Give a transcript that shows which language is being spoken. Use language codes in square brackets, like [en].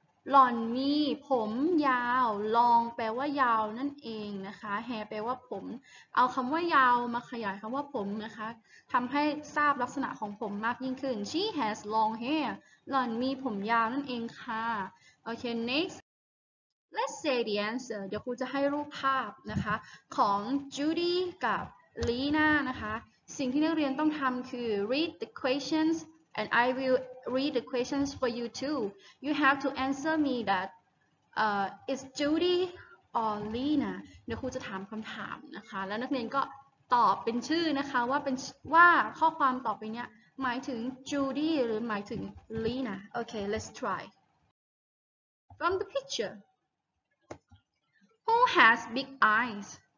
[th] หล่อนมีผมยาวลองแปลว่ายาวนั่นเองนะคะแฮแปลว่าผมเอาคำว่ายาวมาขยายคำว่าผมนะคะทำให้ทราบลักษณะของผมมากยิ่งขึ้น [en] She has long hair [th] หล่อนมีผมยาวนั่นเองค่ะโอเค [en] next let's say the answer [th] เดี๋ยวครูจะให้รูปภาพนะคะของ Judy กับ Lina นะคะสิ่งที่นักเรียนต้องทำคือ [en] read the questionsAnd I will read the questions for you too. You have to answer me that is Judy or Lina. [th] เดี๋ยวครูจะถามคำถามนะคะแล้วนักเรียนก็ตอบเป็นชื่อนะคะว่าเป็นว่าข้อความต่อไปเนี้ยหมายถึง Judy หรือหมายถึง Lina. [en] Okay, let's try. From the picture, who has big eyes?